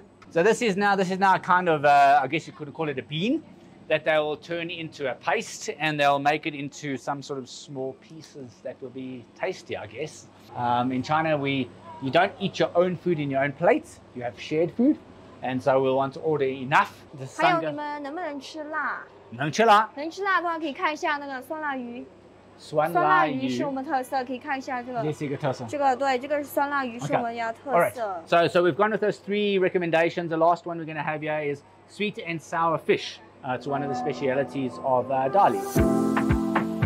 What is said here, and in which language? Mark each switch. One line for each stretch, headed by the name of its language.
English: So this is now a kind of, I guess you could call it a bean, that they will turn into a paste and they'll make it into some sort of small pieces that will be tasty, I guess. In China, you don't eat your own food in your own plate. You have shared food. And so we'll want to order enough.
Chinese: 还有你们能不能吃辣的话可以看一下那个酸辣鱼。酸辣鱼是我们特色，可以看一下这个。这是一个特色。这个对，这个酸辣鱼是我们要特色。All
English: right. So we've gone with those three recommendations. The last one we're going to have here is sweet and sour fish. It's one of the specialities of Dali.